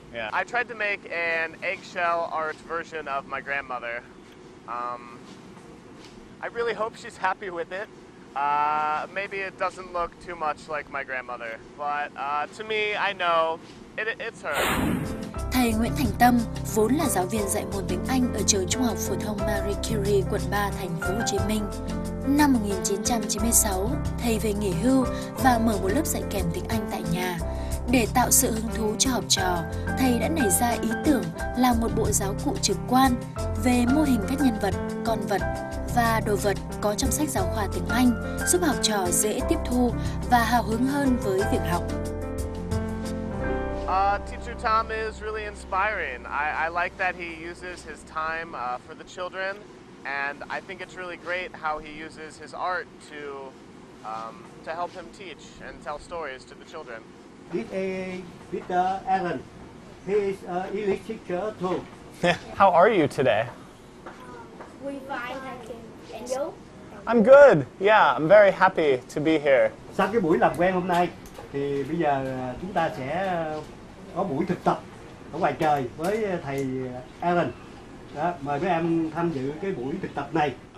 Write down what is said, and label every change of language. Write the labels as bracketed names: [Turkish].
[English] Yeah. I tried to make an eggshell art version of my grandmother. I really hope she's happy with it. Maybe it doesn't look too much like my grandmother, but to me, I know it's her. [Vietnamese] Thầy Nguyễn Thành Tâm vốn là giáo viên dạy môn tiếng Anh ở trường Trung học phổ thông Marie Curie, quận 3, thành phố Hồ Chí Minh. Năm 1996, thầy về nghỉ hưu và mở một lớp dạy kèm tiếng Anh tại nhà. Để tạo sự hứng thú cho học trò, thầy đã nảy ra ý tưởng làm một bộ giáo cụ trực quan về mô hình các nhân vật, con vật và đồ vật có trong sách giáo khoa tiếng Anh, giúp học trò dễ tiếp thu và hào hứng hơn với việc học. [English] Teacher Tom is really inspiring. I like that he uses his time for the children, and I think it's really great how he uses his art to help him teach and tell stories to the children. This is Peter Allen. He is an English teacher too. How are you today? We're fine, thank you. And you? I'm good. Yeah, I'm very happy to be here. [Vietnamese] Sau cái buổi làm quen hôm nay, thì bây giờ chúng ta sẽ có buổi thực tập ở ngoài trời với thầy Allen. Đó, mời các em tham dự cái buổi thực tập này.